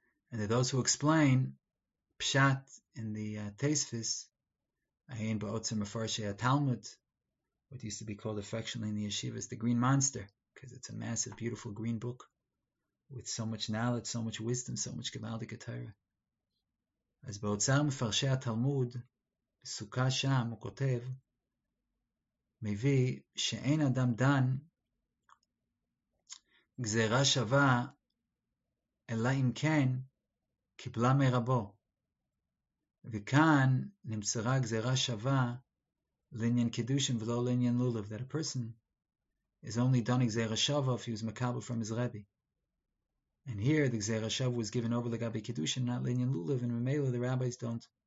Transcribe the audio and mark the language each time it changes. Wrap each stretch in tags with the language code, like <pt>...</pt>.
<en>And that those who explain Pshat in the Tesfis, Ayin Ba'otzer Mefarshei Talmud, what used to be called affectionately in the yeshivas, the Green Monster, because it's a massive, beautiful green book. With so much knowledge, so much wisdom, so much gemaldik Torah.</en> <he>As Ba'otzer Mefarshei HaTalmud, Sukkah Sham, הוא כותב, מביא שאין אדם דן גזירה שווה, אלא אם כן קיבלה מרבו. וכאן נמצרה גזירה שווה לעניין קידושים ולא לעניין לולב,</he> <en>that a person is only done גזירה שווה if he was מקבל from his Rebbe. And here the Gzeir HaShav was given over the Gabi Kiddushin, not Linyan Lulav, and Memela, the rabbis don't.</en>